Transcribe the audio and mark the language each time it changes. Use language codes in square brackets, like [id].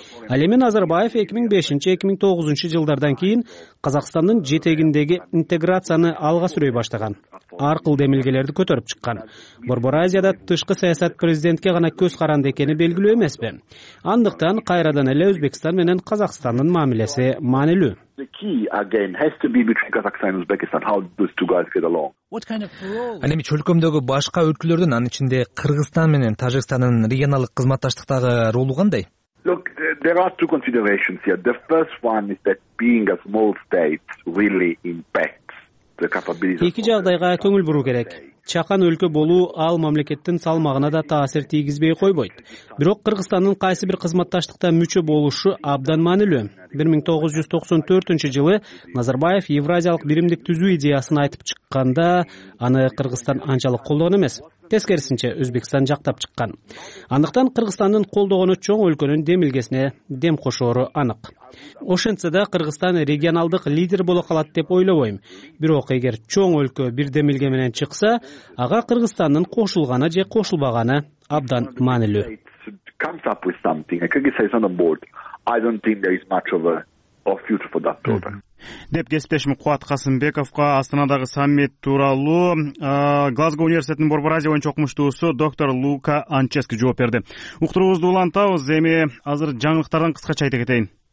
[ky] Ал эми Назарбаев 2005-2009 жылдардан кийин Казакстандын жетегиндеги интеграцияны алга сүрөй баштаган. Ар кыл демилгелерди көтөрүп чыккан. Борбор Азияда тышкы саясат президентке гана көз каранды экени белгилүү эмеспи? Андыктан кайрадан эле Өзбекстан менен Казакстандын мамилеси маанилүү. [en] The key again has to be between Kazakhstan and Uzbekistan. How those two guys get along? What kind of role? [ky] Ал эми өлкөмдөгү башка өлкөлөрдүн, анын ичинде Кыргызстан менен Тажикстандын регионалдык кызматташтыктагы ролу кандай? [en] Look, there are two considerations here. The first one is that being a small state really impacts the capabilities. [ky] Эки жагдайга көңүл буруу керек. Чакан өлкө болуу ал мамлекеттин салмагына да таасир тийгизбей койбойт. Бирок Кыргызстандын кайсы бир кызматташтыкта мүчө болушу абдан маанилүү. 1994 жылы Назарбаев Евразиялык биримдик түзүү идеясын айтып чыкканда аны Кыргызстан анчалык колдогон эмес. Тескерисинче Өзбекстан жактап чыккан. Андыктан Кыргызстандын колдогону чоң өлкөнүн демилгесине дем кошоору анык. Ошентсе да Кыргызстан регионалдык лидер боло калат деп ойлобойм. Бирок эгер чоң өлкө бир демилге менен чыкса, ага Кыргызстандын кошулганы же кошулбаганы абдан маанилүү. [en] Comes up with something. Кыргызстан is on the board. I don't think there is much of a future for that program. [ky] Деп кесиптешим Кубат Касымбековго Астанадагы саммит тууралуу Глазго университетинин Борбор Азия боюнча окумуштуусу доктор Лука Анчески жооп берди. Уктуруубузду улантабыз, эми азыр жаңылыктардан кыскача айта кетейин.